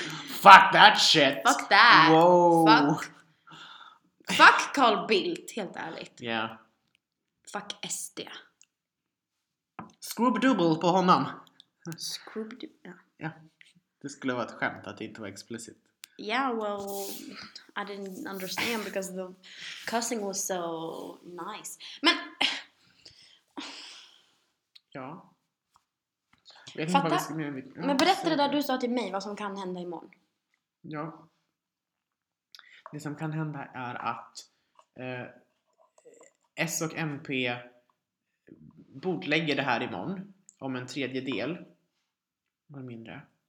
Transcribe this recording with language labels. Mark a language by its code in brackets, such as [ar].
[en] Fuck that shit. Fuck that. Whoa. [sv] Fuck Carl Bildt, helt ärligt. Ja. [en] Yeah. Fuck SD. Scrub double [sv] på honom. [en] Scrub double. [sv] Ja. Det skulle vara ett skämt att det inte var explicit. [en] Yeah, well, I didn't understand because the cussing was so nice. [sv] Men ja. Fattar, ja, men berätta det där du sa till mig, vad som kan hända imorgon. Ja. Det som kan hända är att S och MP bordlägger det här imorgon om en tredjedel eller mindre.